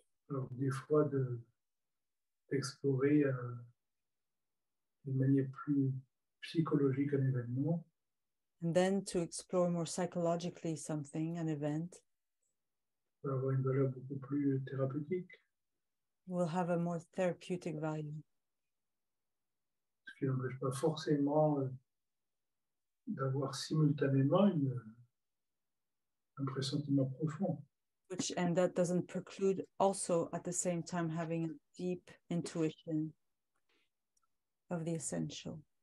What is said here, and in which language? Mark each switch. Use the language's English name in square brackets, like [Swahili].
[French] Alors, des fois, d'explorer d'une manière plus psychologique un événement. [English] And then to explore more psychologically something, an event. [French] Va avoir une valeur beaucoup plus thérapeutique. [English] Will have a more therapeutic value. [French] Qui n'empêche pas forcément d'avoir simultanément un pressentiment profond. [English] Which, and that doesn't preclude also at the same time having a deep intuition of the essential.